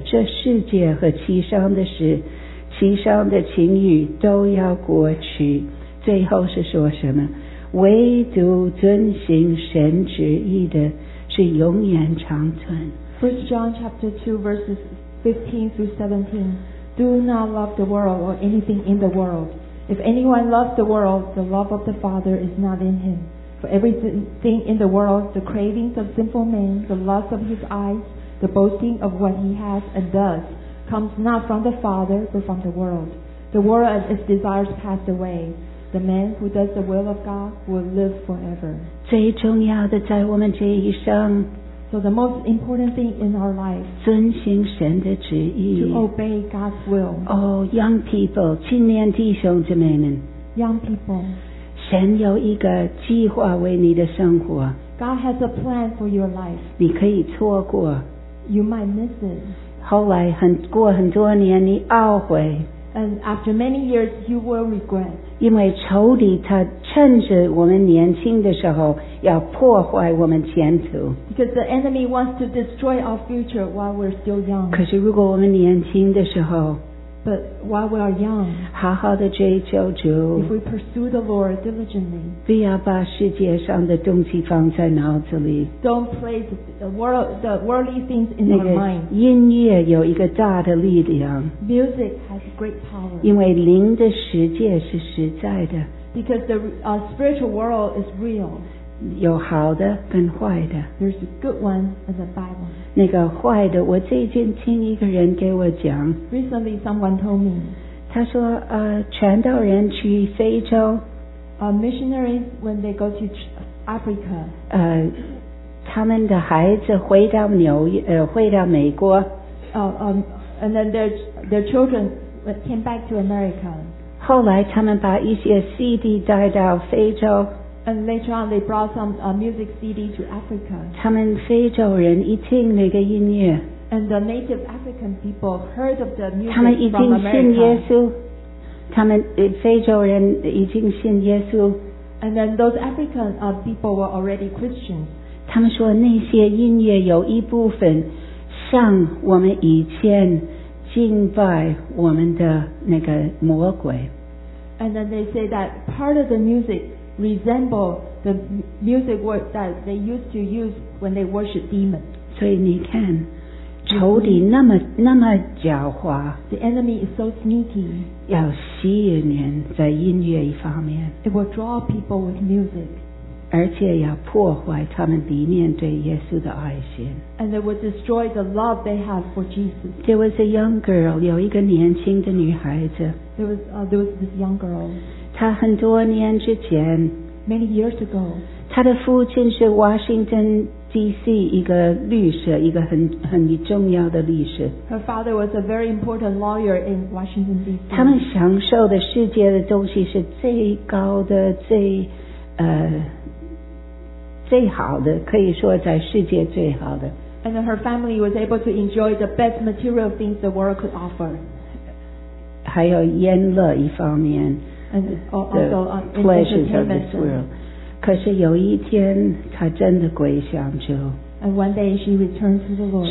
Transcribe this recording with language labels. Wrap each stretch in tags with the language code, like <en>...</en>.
<zh>这世界和其上的事、其上的情欲，都要过去。最后是说什么？唯独遵行神旨意的，是永远长存。</zh> <en>1 John chapter 2 verses 15 through 17. Do not love the world or anything in the world. If anyone loves the world, the love of the Father is not in him. For everything in the world, the cravings of sinful men, the lust of his eyes, the boasting of what he has and does, comes not from the Father, but from the world. The world and its desires pass away. The man who does the will of God will live forever.</en> <zh>最重要的在我们这一生</zh> <en>So the most important thing in our life</en> <zh>遵行神的旨意</zh> <en>To obey God's will Oh, young people</en> <zh>青年弟兄姊妹们</zh> <en>Young people</en> <zh>神有一个计划为你的生活</zh> <en>God has a plan for your life</en> <zh>你可以错过</zh> <en>You might miss it</en> <zh>后来过很多年你懊悔</zh> <en>And after many years you will regret</en> <zh>因为仇敌他趁着我们年轻的时候要破坏我们前途</zh> <en>Because the enemy wants to destroy our future while we're still young</en> <zh>可是如果我们年轻的时候</zh> <en>But while we are young</en> <zh>好好的追求主</zh> <en>If we pursue the Lord diligently</en> <zh>不要把世界上的东西放在脑子里</zh> <en>Don't place the worldly things in our mind</en> <zh>音乐有一个大的力量</zh> <en>Music has great power</en> <zh>因为灵的世界是实在的</zh> <en>Because the spiritual world is real</en> <zh>有好的跟坏的</zh> <en>There's a good one and a bad one</en> <zh>那个坏的我最近听一个人给我讲</zh> <en>Recently someone told me</en> <zh>他说传道人去非洲</zh> <en>Missionaries when they go to Africa</en> <zh>他们的孩子回到回到美国</zh> <en>And then their children came back to America</en> <zh>后来他们把一些 CD 带到非洲</zh> <en>And later on, they brought some music CD to Africa.</en> <zh>他们非洲人一听那个音乐</zh> <en>And the native African people heard of the music from America.</en> <zh>他们已经信耶稣。他们非洲人已经信耶稣。</zh> <en>And then those African people were already Christians.</en> <zh>他们说那些音乐有一部分像我们以前敬拜我们的那个魔鬼。</zh> <en>And then they say that part of the music resemble the music word that they used to use when they worship demons.</en> <zh>所以你看仇敌那么狡猾</zh> <en>The enemy is so sneaky.</en> <zh>要吸引人在音乐一方面</zh> <en>It will draw people with music.</en> <zh>而且要破坏他们里面对耶稣的爱心</zh> <en>And it will destroy the love they have for Jesus. There was a young girl,</en> <zh>有一个年轻的女孩子</zh> <en>There was this young girl.</en> <zh>他很多年之前</zh> <en>Many years ago</en> <zh>他的父亲是 Washington D.C. 一个律师一个 很重要的律师</zh> <en>Her father was a very important lawyer in Washington D.C.</en> <zh>他们享受的世界的东西是最高的最好的可以说在世界最好的</zh> <en>And her family was able to enjoy the best material things the world could offer</en> <zh>还有烟乐一方面</zh> <en>And also pleasures of this world. And one day she returned to the Lord.</en>